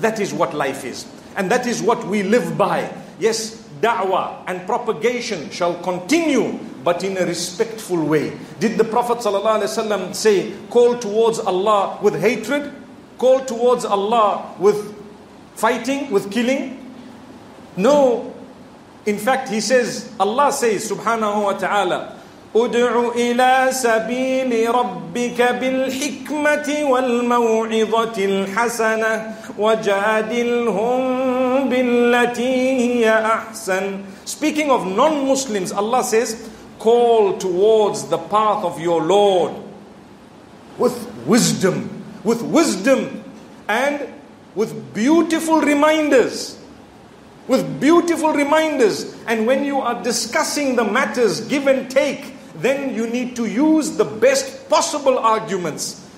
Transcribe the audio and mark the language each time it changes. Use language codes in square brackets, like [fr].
[en] That is what life is. And that is what we live by. Yes, da'wah and propagation shall continue, but in a respectful way. Did the Prophet sallallahu alaihi wasallam say, call towards Allah with hatred? Call towards Allah with fighting, with killing? No. In fact, he says, Allah says, subhanahu wa ta'ala, [ar] ادعو إلى سبيل ربك بالحكمة والموعظة الحسنة وجادلهم بالتي هي أحسن. [en] Speaking of non-Muslims, Allah says, call towards the path of your Lord with wisdom. With wisdom and with beautiful reminders. With beautiful reminders. And when you are discussing the matters, give and take, then you need to use the best possible arguments.